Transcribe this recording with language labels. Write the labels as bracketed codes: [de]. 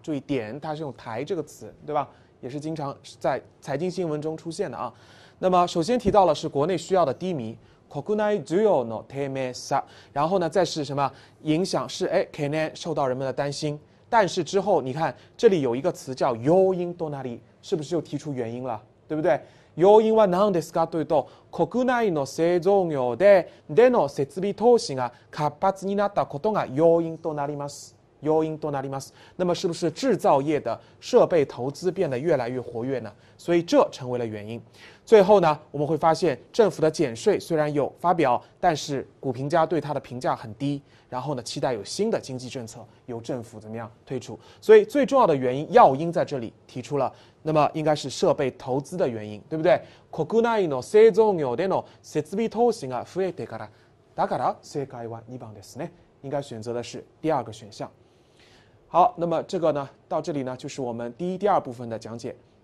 [zh] 注意点，它是用"台"这个词，对吧？也是经常在财经新闻中出现的啊。那么首先提到了是国内需要的低迷，国内需要的低迷啥？然后呢再是什么影响是？是哎，可能受到人们的担心。但是之后你看这里有一个词叫要因多哪里，是不是又提出原因了？对不对？ [ja] 要因は何ですかというと、国内の製造業での設備投資が活発になったことが要因となります。要因となります。 [zh] 那么是不是制造业的设备投资变得越来越活跃呢？所以这成为了原因。最后呢，我们会发现政府的减税虽然有发表，但是股评家对它的评价很低。然后呢，期待有新的经济政策由政府怎么样推出。所以最重要的原因要因在这里提出了。那么应该是设备投资的原因，对不对？ [ja] 国内の製造業での設備投資が増えてから、だから正解は2番ですね。 [zh] 应该选择的是第二个选项。好，那么这个呢，到这里呢，就是我们第一、第二部分的讲解。